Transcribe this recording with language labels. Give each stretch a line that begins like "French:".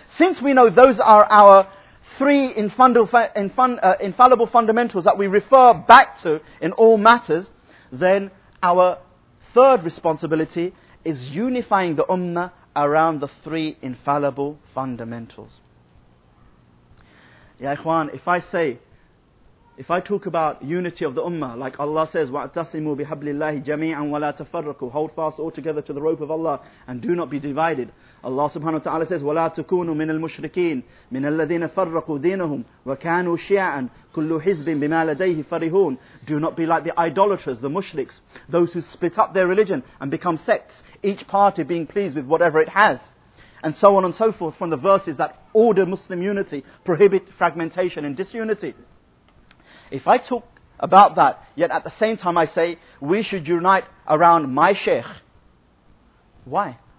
English: Since we know those are our three infallible fundamentals that we refer back to in all matters, then our third responsibility is unifying the ummah around the three infallible fundamentals. Ya ikhwan, if I talk about unity of the ummah, like Allah says,
Arabic: وَعْتَصِمُوا بِحَبْلِ اللَّهِ جَمِيعًا وَلَا تَفَرَّقُوا,
English: hold fast altogether to the rope of Allah and do not be divided.
Arabic: Allah subhanahu wa ta'ala says, وَلَا تُكُونُوا مِنَ الْمُشْرِكِينَ مِنَ الَّذِينَ فَرَّقُوا دِينَهُمْ وَكَانُوا شِيَعًا كُلُّ حِزْبٍ بِمَا لَدَيْهِ فَرِهُونَ.
English: Do not be like the idolaters, the mushriks, those who split up their religion and become sects, each party being pleased with whatever it has. And so on and so forth from the verses that order Muslim unity, prohibit fragmentation and disunity. If I talk about that, yet at the same time I say, we should unite around my sheikh. Why?